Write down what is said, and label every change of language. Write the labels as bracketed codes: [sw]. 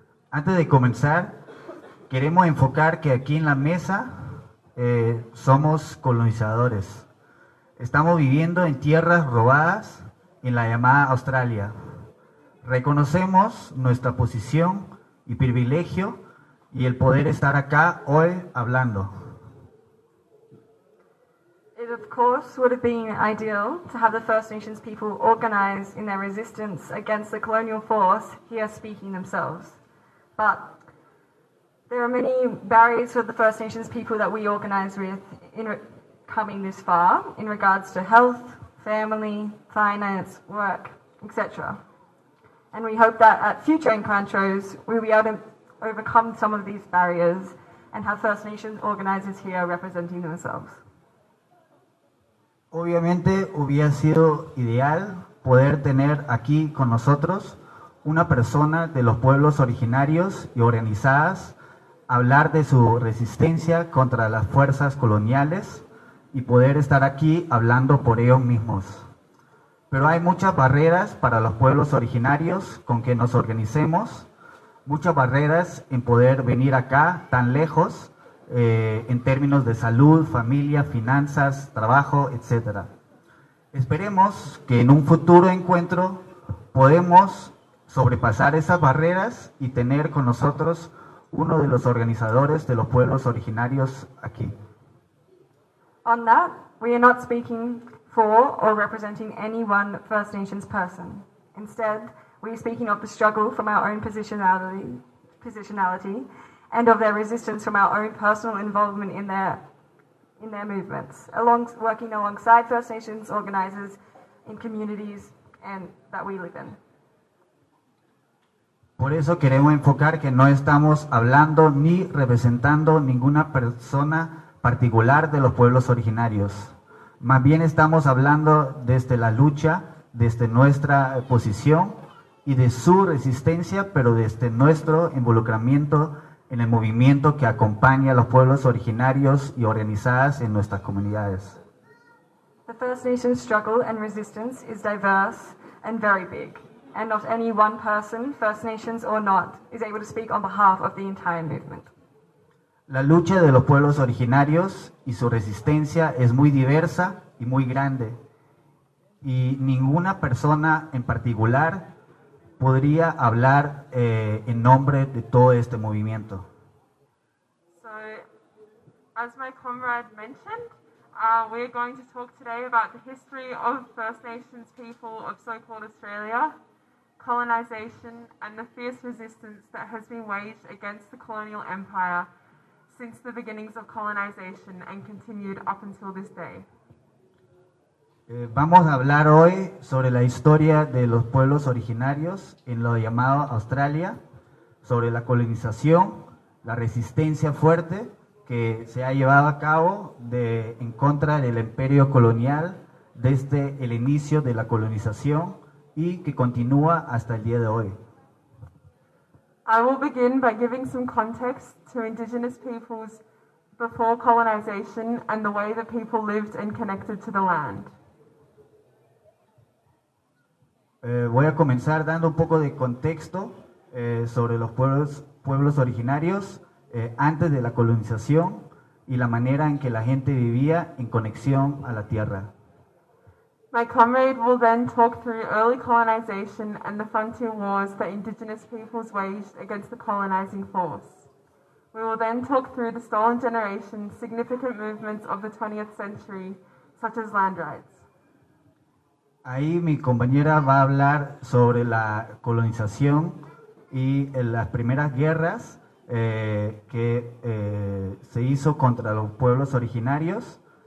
[es] Antes de comenzar, queremos enfocar que aquí en la mesa somos colonizadores. Estamos viviendo en tierras robadas en la llamada Australia. Reconocemos nuestra posición y privilegio y el poder estar acá hoy hablando. [en] It of course would have been ideal to have the First Nations people organize in their resistance against the colonial force here speaking themselves. But there are many barriers for the First Nations people that we organize with in coming this far in regards to health, family, finance, work, etc. And we hope that at future encounters we'll be able to overcome some of these barriers and have First Nations organizers here representing themselves. [es] Obviamente hubiera sido ideal poder tener aquí con nosotros una persona de los pueblos originarios y organizadas hablar de su resistencia contra las fuerzas coloniales y poder estar aquí hablando por ellos mismos. Pero hay muchas barreras para los pueblos originarios con que nos organicemos, muchas barreras en poder venir acá tan lejos en términos de salud, familia, finanzas, trabajo, etc. Esperemos que en un futuro encuentro podemos sobrepasar esas barreras y tener con nosotros uno de los organizadores de los pueblos originarios aquí. [en] On that, we are not speaking for or representing any one First Nations person. Instead, we are speaking of the struggle from our own positionality and of their resistance from our own personal involvement in their movements, working alongside First Nations organizers in communities and that we live in. [es] Por eso queremos enfocar que no estamos hablando ni representando ninguna persona particular de los pueblos originarios. Más bien estamos hablando desde la lucha, desde nuestra posición y de su resistencia, pero desde nuestro involucramiento en el movimiento que acompaña a los pueblos originarios y organizadas en nuestras comunidades. [en] The First Nations struggle and resistance is diverse and very big, and not any one person, First Nations or not, is able to speak on behalf of the entire movement. [es] La lucha de los pueblos originarios y su resistencia es muy diversa y muy grande, y ninguna persona en particular podría hablar en nombre de todo este movimiento. [en] So, as my comrade mentioned, we're going to talk today about the history of First Nations people of so-called Australia, colonization, and the fierce resistance that has been waged against the colonial empire since the beginnings of colonization and continued up until this day. [es] Vamos a hablar hoy sobre la historia de los pueblos originarios en lo llamado Australia, sobre la colonización, la resistencia fuerte que se ha llevado a cabo en contra del imperio colonial desde el inicio de la colonización y que continúa hasta el día de hoy. [en] I will begin by giving some context to Indigenous peoples before colonization and the way that people lived and connected to the land. [es] Voy a comenzar dando un poco de contexto sobre los pueblos originarios antes de la colonización y la manera en que la gente vivía en conexión a la tierra. [en] My comrade will then talk through early colonization and the frontier wars that Indigenous peoples waged against the colonizing force. We will then talk through the stolen generation's significant movements of the 20th century, such as land rights. [es] Ahí mi compañera va a hablar sobre la colonización y las primeras guerras que se hizo contra los pueblos originarios.